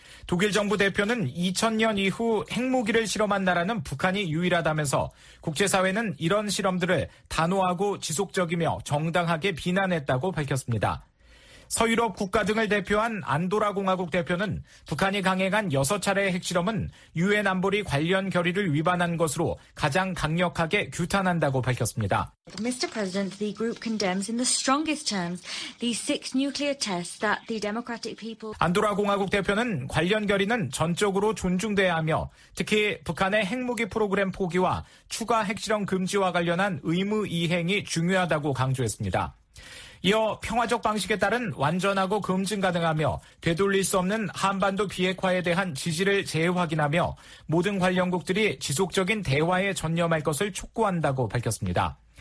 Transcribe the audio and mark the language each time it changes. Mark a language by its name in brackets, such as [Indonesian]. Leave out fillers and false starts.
[Korean] 독일 정부 대표는 2000년 이후 핵무기를 실험한 나라는 북한이 유일하다면서 국제사회는 이런 실험들을 단호하고 지속적이며 정당하게 비난했다고 밝혔습니다. 서유럽 국가 등을 대표한 안도라공화국 대표는 북한이 강행한 6차례의 핵실험은 유엔 안보리 관련 결의를 위반한 것으로 가장 강력하게 규탄한다고 밝혔습니다. [English] Mr. President, the group condemns in the strongest terms the six nuclear tests that the Democratic People. [Korean] 안도라공화국 대표는 관련 결의는 전적으로 존중돼야 하며 특히 북한의 핵무기 프로그램 포기와 추가 핵실험 금지와 관련한 의무 이행이 중요하다고 강조했습니다. 이어 평화적 방식에 따른 완전하고 검증 가능하며 되돌릴 수 없는 한반도 비핵화에 대한 지지를 재확인하며 모든 관련국들이 지속적인 대화에 전념할 것을 촉구한다고 밝혔습니다.